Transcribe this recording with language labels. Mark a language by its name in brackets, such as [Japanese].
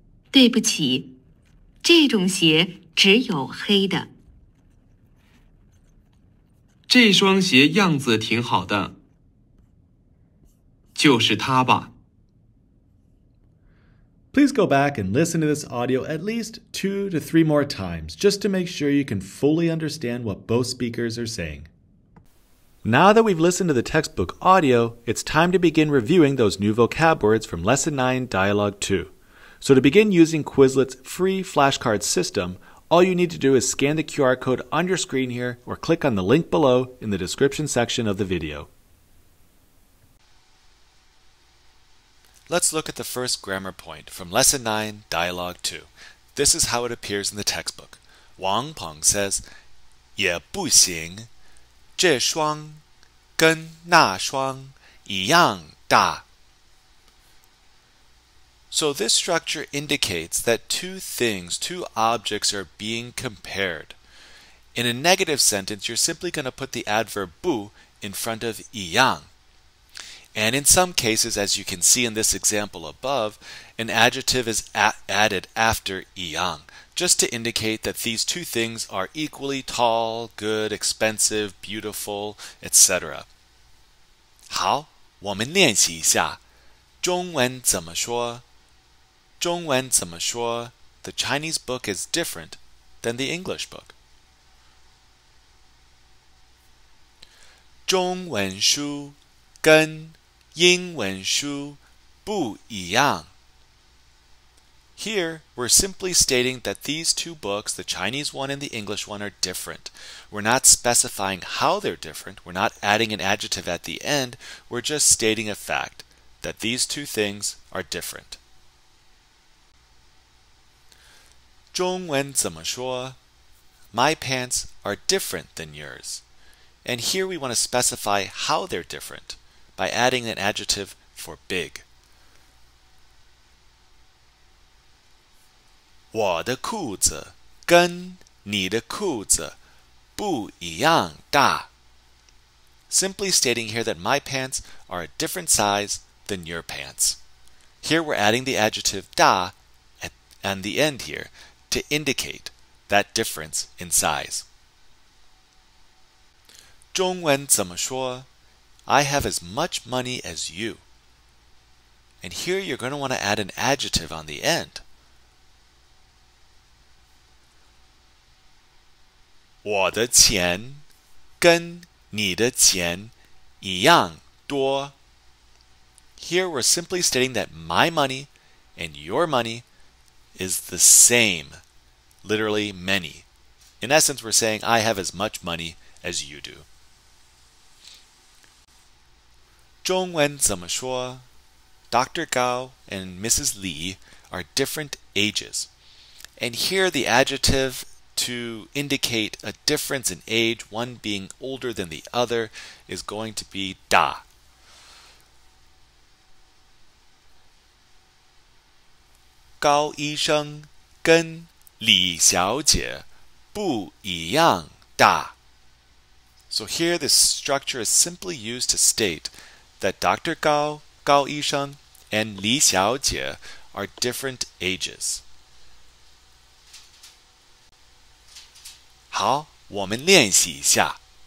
[Chinese] 对不起，这种鞋只有黑的。这双鞋样子挺好的，就是它吧。 [English] Please go back and listen to this audio at least 2 to 3 more times, just to make sure you can fully understand what both speakers are saying. Now that we've listened to the textbook audio, it's time to begin reviewing those new vocab words from Lesson 9, Dialogue 2. So to begin using Quizlet's free flashcard system, All you need to do is scan the QR code on your screen here or click on the link below in the description section of the video. Let's look at the first grammar point from Lesson 9, Dialogue 2. This is how it appears in the textbook. Wang Peng says, [Chinese] 也不行,这双跟那双一样大。 [English] So this structure indicates that two things, two objects are being compared. In a negative sentence, you're simply going to put the adverb 不 in front of 一样. And in some cases, as you can see in this example above, an adjective is added after 一样, just to indicate that these two things are equally tall, good, expensive, beautiful, etc. [Chinese] 好,我们练习一下。中文怎么说? 中文怎么说? [English] The Chinese book is different than the English book. [Chinese] 中文书跟英文书不一样。 [English] Here, we're simply stating that these two books, the Chinese one and the English one, are different. We're not specifying how they're different. We're not adding an adjective at the end. We're just stating a fact that these two things are different. [Chinese] 中文怎么说? [English] My pants are different than yours. And here we want to specify how they're different by adding an adjective for big. [Chinese] 我的裤子跟你的裤子不一样大。 [English] Simply stating here that my pants are a different size than your pants. Here we're adding the adjective 大 and the end here. To indicate that difference in size. [Chinese] 中文怎么说? [English] I have as much money as you. And here you're going to want to add an adjective on the end. [Chinese] 我的钱跟你的钱一样多。 [English] Here we're simply stating that my money and your money is the same. Literally, many. In essence, we're saying, I have as much money as you do. [Chinese] 中文怎么说? [English] Dr. Gao and Mrs. Li are different ages. And here, the adjective to indicate a difference in age, one being older than the other, is going to be 大. [Chinese] 高医生跟李小姐不一样大。 [English] So here this structure is simply used to state that Dr. Gao, 高医生, and 李小姐 are different ages. [Chinese] 好,我们练习一下。